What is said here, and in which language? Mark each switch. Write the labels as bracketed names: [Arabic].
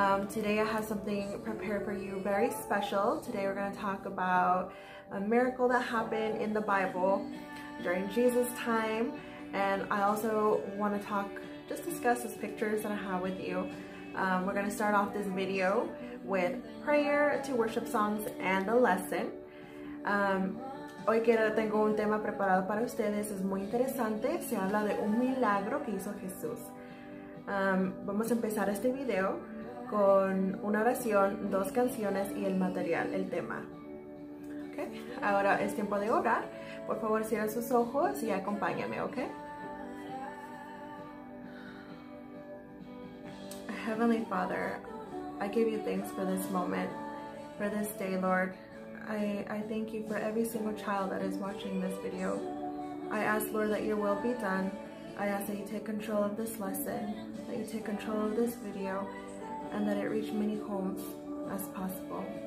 [English] Today I have something prepared for you, very special. Today we're going to talk about a miracle that happened in the Bible during Jesus' time. And I also want to discuss these pictures that I have with you. We're going to start off this video with prayer, two worship songs, and a lesson. [Spanish] Hoy tengo un tema preparado para ustedes, es muy interesante, se habla de un milagro que hizo Jesús. Vamos a empezar este video con una oración, dos canciones y el material, el tema. Okay. Ahora es tiempo de orar, por favor cierren sus ojos y acompáñame, ¿ok? [English] Heavenly Father, I give you thanks for this moment, for this day, Lord. I thank you for every single child that is watching this video. I ask, Lord, that your will be done. I ask that you take control of this lesson, that you take control of this video, and that it reach many homes as possible.